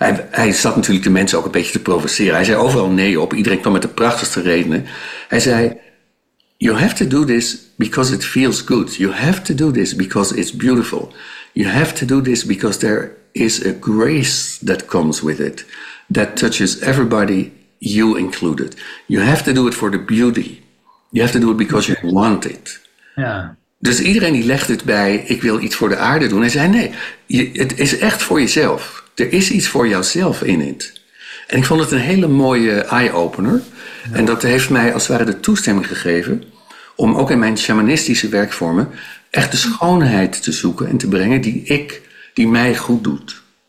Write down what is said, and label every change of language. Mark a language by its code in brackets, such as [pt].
[nl] Hij zat natuurlijk de mensen ook een beetje te provoceren. Hij zei overal nee op. Iedereen kwam met de prachtigste redenen. Hij zei, [en] you have to do this because it feels good. You have to do this because it's beautiful. You have to do this because there is a grace that comes with it, that touches everybody, you included. You have to do it for the beauty. You have to do it because you want it. [nl] Ja. Dus iedereen die legt het bij, ik wil iets voor de aarde doen. Hij zei, nee, het is echt voor jezelf. Er is iets voor jouzelf in het. En ik vond het een hele mooie eye-opener. Ja. En dat heeft mij als het ware de toestemming gegeven om ook in mijn shamanistische werkvormen echt de schoonheid te zoeken en te brengen die mij goed doet.